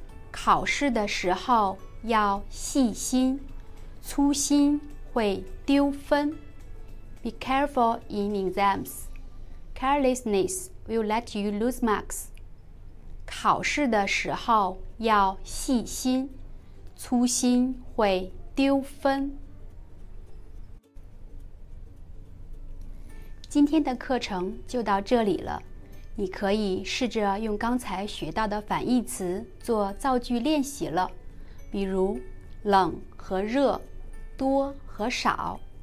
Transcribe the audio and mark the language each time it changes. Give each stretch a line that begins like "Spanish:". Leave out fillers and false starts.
Chinese: 考试的时候要细心，粗心会丢分。
English: Be careful in exams. Carelessness will let you lose marks.
Chinese: 考试的时候要细心，粗心会丢分。今天的课程就到这里了。你可以试着用刚才学到的反义词做造句练习了，比如冷和热，多和少。